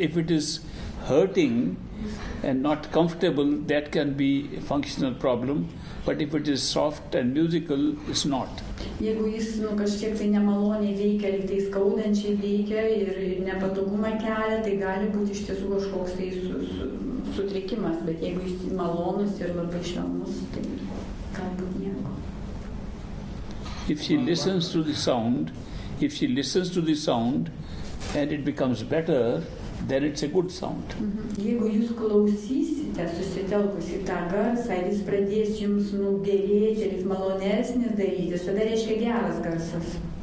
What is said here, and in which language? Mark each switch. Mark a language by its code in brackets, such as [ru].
[en] If it is hurting and not comfortable, that can be a functional problem. But if it is soft and musical, it's not. [lt] Jeigu jis kažkiek tai nemaloniai veikia, lyg tai skaudančiai veikia ir nepatogumą kelia, tai gali būti iš tiesų kažkoks tai sutrikimas. Bet jeigu jis malonus ir labai švelnus, tai galbūt nieko. [en] If she listens to the sound and it becomes better, then it's a good sound. Mm-hmm. [lt] Jeigu jūs klausysite, susitelkus į tą garsą, ir jis pradės jums gerėti ir malonesnis darytis, tada reiškia geras garsas.